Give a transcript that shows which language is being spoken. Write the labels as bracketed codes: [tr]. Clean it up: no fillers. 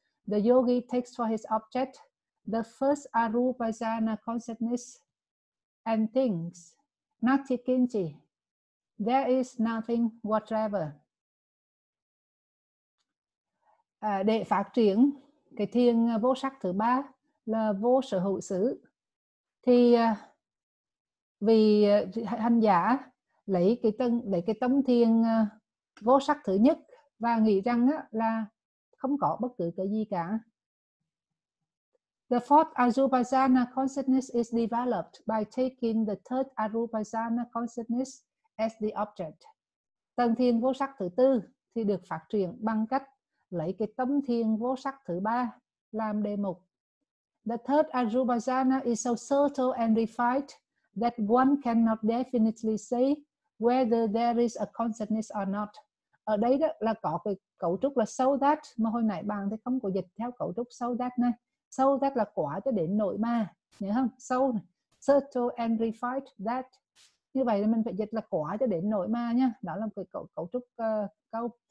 [en] The yogi takes for his object the first arupasana consciousness and thinks, natikinchi, there is nothing whatever. [vi] Để phát triển cái thiền vô sắc thứ ba là vô sở hữu xứ, thì vì hành giả lấy cái tâm thiền vô sắc thứ nhất và nghĩ rằng là không có bất cứ cái gì cả. [en] The fourth arupasana consciousness is developed by taking the third arupasana consciousness as the object. [vi] Tầng thiền vô sắc thứ tư thì được phát triển bằng cách lấy cái tâm thiền vô sắc thứ ba làm đề mục. [en] The third arupasana is so subtle and refined that one cannot definitely say whether there is a consciousness or not. [vi] Ở đây đó là có cái cấu trúc là so that, mà hồi nãy bạn thấy không có dịch theo cấu trúc so that này. So that là quả cho đến nội mà, nhớ không? [en] So, subtle and refined that. [vi] Như vậy là mình phải dịch là quả cho đến nội mà nha. Đó là cái cấu trúc câu.